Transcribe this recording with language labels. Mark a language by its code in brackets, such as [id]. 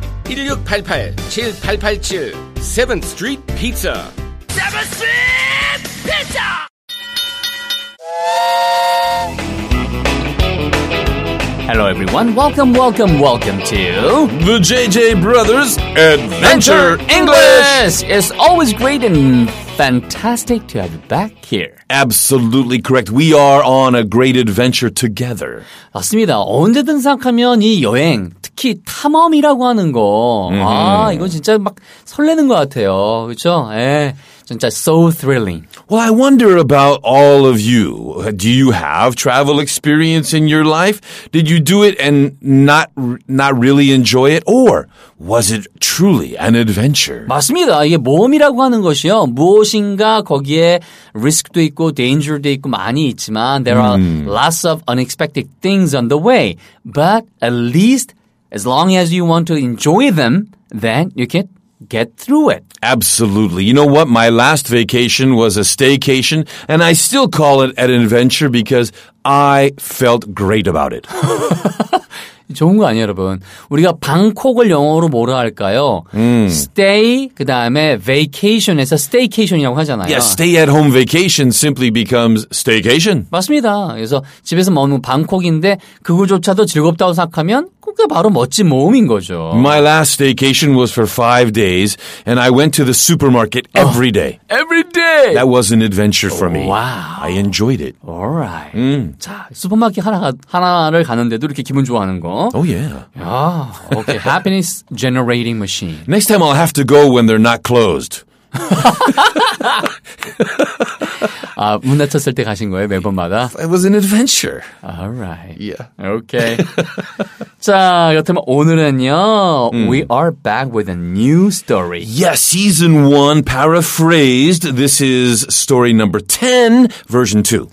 [en] 1688-7887 7th Street Pizza 7th Street Pizza 헬로 에브리원, 웰컴 웰컴 웰컴 투 The JJ Brothers Adventure English. It's always great and fantastic to have you back here. Absolutely correct. We are on a great adventure together. [ko] 맞습니다. 언제든 생각하면 이 여행, 특히 탐험이라고 하는 거, 아, 이건 진짜 막 설레는 것 같아요. 그렇죠? 예. 진짜 [en] so thrilling. Well, I wonder about all of you. Do you have travel experience in your life? Did you do it and not really enjoy it? Or was it truly an adventure? [ko] 맞습니다. 이게 모험이라고 하는 것이요. 무엇인가 거기에 risk도 있고 danger도 있고 많이 있지만 [en] there are lots of unexpected things on the way. But at least as long as you want to enjoy them, then you can get through it. Absolutely. You know what? My last vacation was a staycation, and I still call it an adventure because I felt great about it. [ko] 좋은 거 아니에요, 여러분. 우리가 방콕을 영어로 뭐라 할까요? Stay, 그 다음에 vacation에서 staycation이라고 하잖아요. [en] Yeah, stay at home vacation simply becomes staycation. [ko] 맞습니다. 그래서 집에서 머무는 방콕인데 그거조차도 즐겁다고 생각하면 그게 바로 멋진 모험인 거죠. [en] My last staycation was for 5 days and I went to the supermarket every day. Every day! That was an adventure for me. Wow. I enjoyed it. Alright. [ko] 자, 슈퍼마켓 하나를 가는데도 이렇게 기분 좋아하는 거. [en] Oh, yeah. Oh, okay. Happiness generating machine. Next time I'll have to go when they're not closed. [ko] 아, 문 닫혔을 때 가신 거예요, 매번마다? [en] It was an adventure. All right. Yeah. Okay. [ko] 자, 그렇다면 오늘은요, [en] we are back with a new story. Yes, yeah, season 1, paraphrased. This is story number 10, version 2.